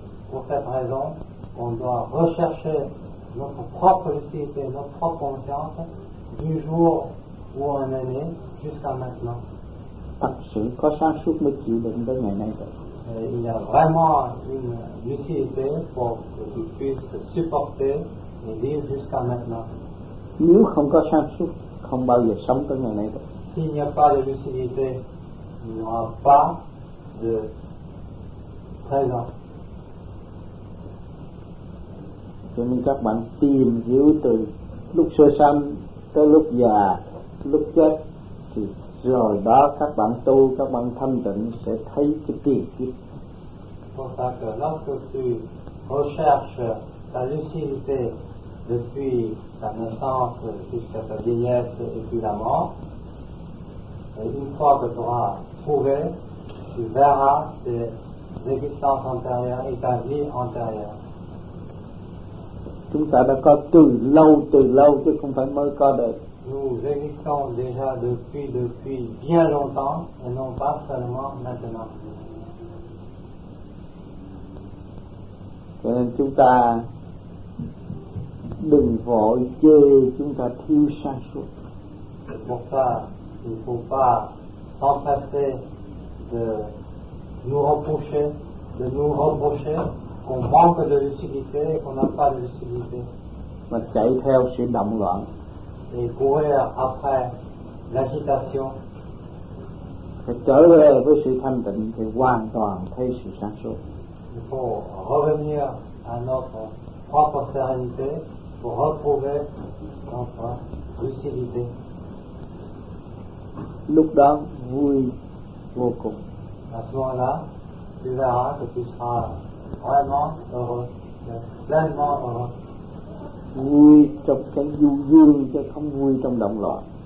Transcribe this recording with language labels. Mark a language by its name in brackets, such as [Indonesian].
[French] Pour cette raison, on doit rechercher notre propre lucidité, notre propre conscience du jour où on est né jusqu'à maintenant. [Vietnamese] Thật sự có sáng suốt mới chịu đựng tới ngày nay được. [French] Il y a vraiment une lucidité pour que tu puisses supporter et vivre jusqu'à maintenant. [Vietnamese] Nếu không có sáng suốt, không bao giờ sống tới ngày nay được. [French] S'il n'y a pas de lucidité, il n'y aura pas de présent. [Vietnamese] Cho nên các bạn tìm hiểu từ lúc sơ sanh tới lúc già, lúc chết thì rồi đó các bạn tu, các bạn thâm tịnh sẽ thấy cái tiền kiếp. [French] Pour ça que lorsque tu recherches ta lucidité depuis ta naissance jusqu'à ta vieillesse et puis la mort, et une fois que tu auras trouvé, tu verras tes existences antérieures et ta vie antérieure. [Vietnamese] Chúng ta đã có từ lâu chứ không phải mới có được. [French] Nous existons déjà depuis bien longtemps et non pas seulement maintenant. [Vietnamese] Cho nên chúng ta đừng vội chê chúng ta thiếu sáng suốt. [French] Pour ça, il ne faut pas s'empresser de nous reprocher qu'on manque de lucidité et qu'on n'a pas de lucidité. [Vietnamese] Mà chạy theo sự động loạn. [French] Et courir après l'agitation. Et [Vietnamese] trở về với sự thanh tịnh thì hoàn toàn thấy sự sáng suốt. [French] Il faut revenir à notre propre sérénité pour retrouver notre lucidité. [Vietnamese] Lúc đó vui vô cùng. [French] À ce moment-là, tu verras que tu seras vraiment heureux, pleinement heureux. [Vietnamese] Vui trong cái du dương chứ không vui trong động loạn.